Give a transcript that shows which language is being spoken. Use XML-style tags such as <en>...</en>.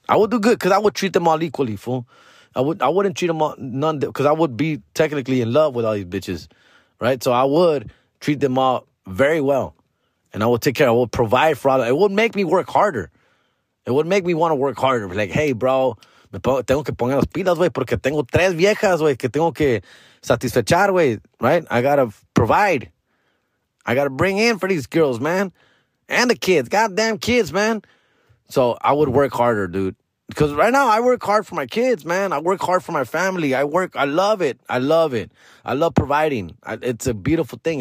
<en>I would do good because I would treat them all equally, fool. I wouldn't treat them all, none, because I would be technically in love with all these bitches, right? So I would treat them all very well, and I would take care. I would provide for all. It would make me work harder. It would make me want to work harder. Like, hey, bro,</en> <es>tengo que poner las pilas, güey, porque tengo tres viejas, güey, que tengo que satisfechar, güey, right?</es> <en>I got to provide. I got to bring in for these girls, man, and the kids. Goddamn kids, man. So I would work harder, dude. Because right now, I work hard for my kids, man. I work hard for my family. I love it. I love providing. It's a beautiful thing.</en>